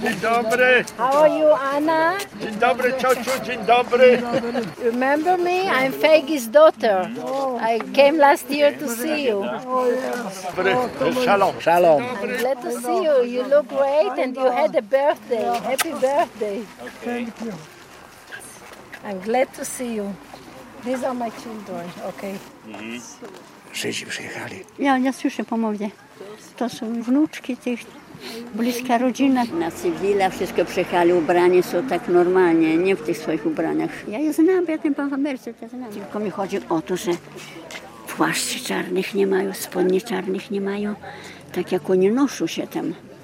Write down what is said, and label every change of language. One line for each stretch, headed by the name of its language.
Polish: Dzień dobry.
English: How are you, Anna?
Polish: Dzień dobry, ciociu, dzień dobry.
English: Remember me? I'm Feige's daughter. I came last year to see you.
Polish: Dobry. Shalom.
Hebrew: Shalom.
English: I'm glad to see you. You look great and you had a birthday. Happy birthday. Thank you. I'm glad to see you. These are my children, okay?
Polish: Żydzi przyjechali. Ja słyszę po mowie. To są wnuczki tych, bliska rodzina. Na cywila wszystko przyjechali, ubrani są tak normalnie, nie w tych swoich ubraniach. Ja je znam, ja ten pan w Ameryce to znam. Tylko mi chodzi o to, że płaszczy czarnych nie mają, spodni czarnych nie mają, tak jak oni noszą się tam.